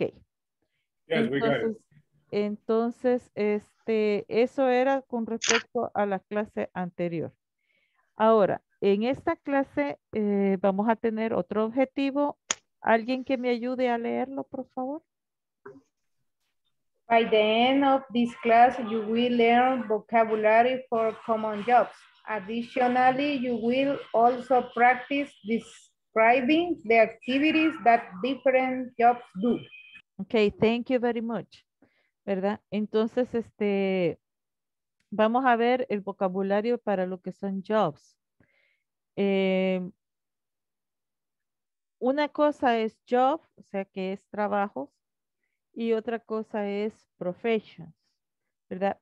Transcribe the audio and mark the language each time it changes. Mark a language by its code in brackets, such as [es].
[en] Yes, [es] entonces, [en] we got it. [es] Entonces, este, eso era con respecto a la clase anterior. Ahora, En esta clase vamos a tener otro objetivo. ¿Alguien que me ayude a leerlo, por favor? [en] By the end of this class, you will learn vocabulary for common jobs. Additionally, you will also practice describing the activities that different jobs do. Okay, thank you very much. [es] ¿Verdad? Entonces, vamos a ver el vocabulario para lo que son jobs. Una cosa es job, o sea que es trabajo, y otra cosa es profession, ¿verdad?